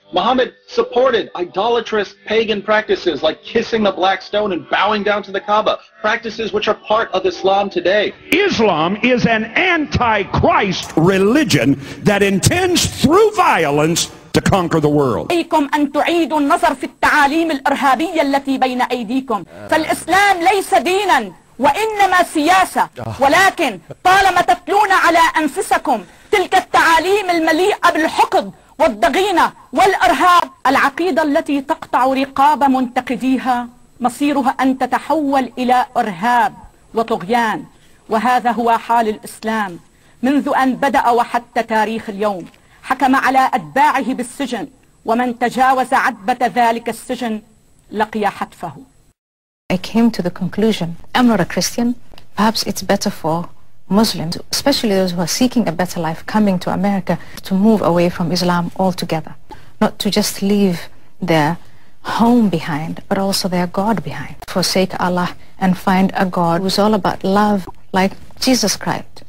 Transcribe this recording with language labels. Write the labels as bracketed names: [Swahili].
[English] Muhammad supported idolatrous pagan practices like kissing the black stone and bowing down to the Kaaba, practices which are part of Islam today. Islam is an anti-Christ religion that intends through violence to conquer the world. [Arabic] أيكم أن تعيدوا النظر في التعاليم الإرهابية التي بين أيديكم. فالإسلام ليس دينا وإنما سياسة. ولكن طالما تتلون على أنفسكم تلك التعاليم المليئة بالحقد والضغينة والإرهاب، العقيدة التي تقطع رقاب منتقديها مصيرها أن تتحول إلى إرهاب وطغيان. وهذا هو حال الإسلام منذ أن بدأ وحتى تاريخ اليوم. حكم على أتباعه بالسجن ومن تجاوز عتبة ذلك السجن لقي حتفه. [English] I came to the conclusion, I'm not a Christian, perhaps it's better for Muslims, especially those who are seeking a better life coming to America, to move away from Islam altogether, not to just leave their home behind, but also their God behind, forsake Allah and find a God who's all about love like Jesus Christ.